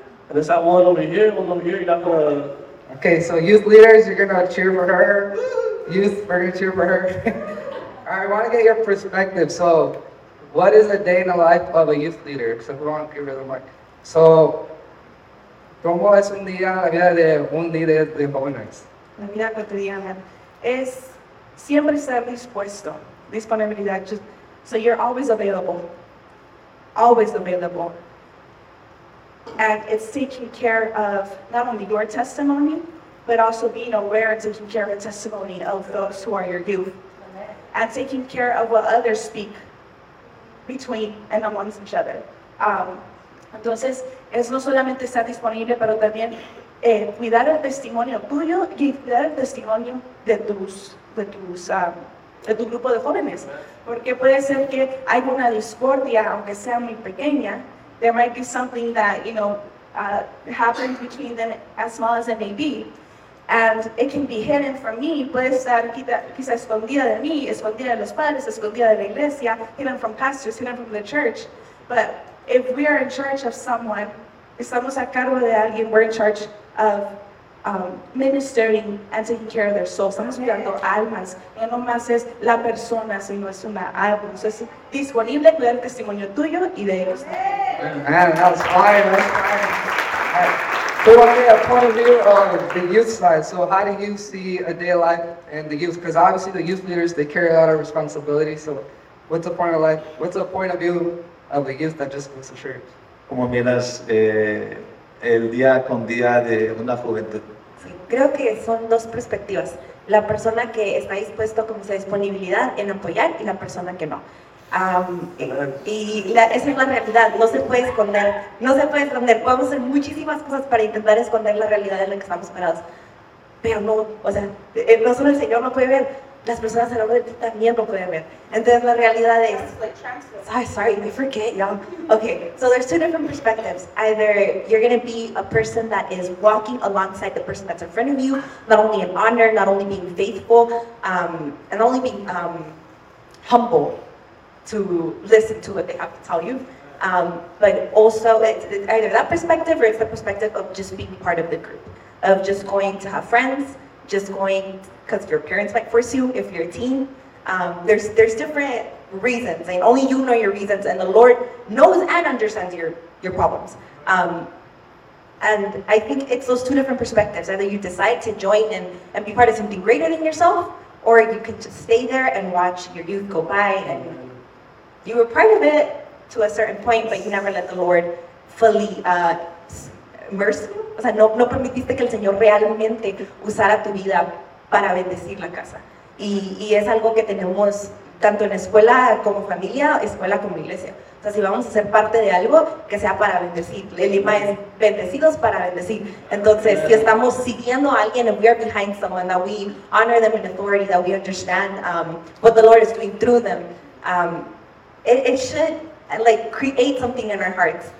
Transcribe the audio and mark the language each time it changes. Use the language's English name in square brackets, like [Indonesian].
[English] And it's that one over here, you're not going to... Okay, so youth leaders, you're going to cheer for her. Youth, we're going to cheer for her. All right, I want to get your perspective. So what is a day in the life of a youth leader? So we want to give her the mic. [Spanish] So, ¿cómo es un día la vida de un líder de jóvenes? La vida cotidiana es siempre estar dispuesto, disponibilidad. [English] So you're always available. And it's taking care of not only your testimony, but also being aware and taking care of the testimony of those who are your youth. And taking care of what others speak between and amongst each other. [Spanish] Entonces, es no solamente estar disponible, pero también cuidar el testimonio tuyo y cuidar el testimonio de tu grupo de jóvenes. Porque puede ser que hay una discordia, aunque sea muy pequeña, [English] there might be something that, you know, happens between them, as small as it may be. And it can be hidden from me, [Spanish] puede estar quizá escondida de mí, escondida de los padres, escondida de la iglesia, [English] hidden from pastors, hidden from the church. But if we are in charge of someone, [Spanish] estamos a cargo de alguien, [English] we're in charge of ministering and taking care of their souls. [Spanish] Estamos cuidando almas, y no más es la persona, sino es una alma. Entonces, es disponible cuidar el testimonio tuyo y de ellos. [English] Man, that was fire, that was fire. Right. So okay, a point of view on the youth side. So how do you see a day of life and the youth? Because obviously the youth leaders, they carry out a responsibility. So what's the point of life? What's the point of view of the youth that just goes to church? [Spanish] Como miras el día con día de una juventud. Sí, creo que son dos perspectivas. La persona que está dispuesto con su disponibilidad en apoyar y la persona que no. Esa es la realidad, no se puede esconder, podemos hacer muchísimas cosas para intentar esconder la realidad en la que estamos parados, pero no, o sea, no solo el Señor no puede ver, las personas alrededor de ti también no pueden ver, entonces la realidad es, [English] sorry, I forget, y'all. Okay, so there's two different perspectives, either you're going to be a person that is walking alongside the person that's in front of you, not only in honor, not only being faithful, and only being humble, to listen to what they have to tell you. But also, it's either that perspective or it's the perspective of just being part of the group, of just going to have friends, just going, because your parents might force you if you're a teen. There's different reasons, and only you know your reasons, and the Lord knows and understands your problems. And I think it's those two different perspectives. Either you decide to join and be part of something greater than yourself, or you can just stay there and watch your youth go by and you were part of it to a certain point, but you never let the Lord fully immerse you. [Spanish] O sea, no permitiste que el Señor realmente usara tu vida para bendecir la casa. Y es algo que tenemos tanto en escuela como familia, escuela como iglesia. O sea, si vamos a ser parte de algo, que sea para bendecir. El lema es bendecidos para bendecir. Entonces, si estamos siguiendo a alguien, [English] and we are behind someone, that we honor them in authority, that we understand what the Lord is doing through them, it should like create something in our hearts.